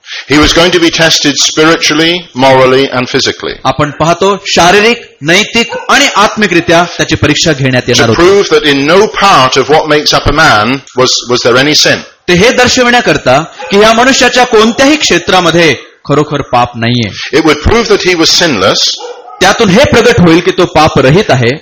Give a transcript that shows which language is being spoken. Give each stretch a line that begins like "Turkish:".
English: He was going to be tested spiritually, morally and physically.
Marathi: आपण पाहतो शारीरिक, नैतिक आणि आत्मिकरित्या त्याची परीक्षा घेण्यात येणार होती.
English: To prove that in no part of what makes up a man was there any sin.
Marathi: ते हे दर्शविण्याकरता की या मनुष्याच्या कोणत्याही क्षेत्रामध्ये खरोखर पाप नाहीये.
English: It would prove that he was sinless.
Marathi: त्यातून हे प्रगट होईल की तो पाप रहित आहे.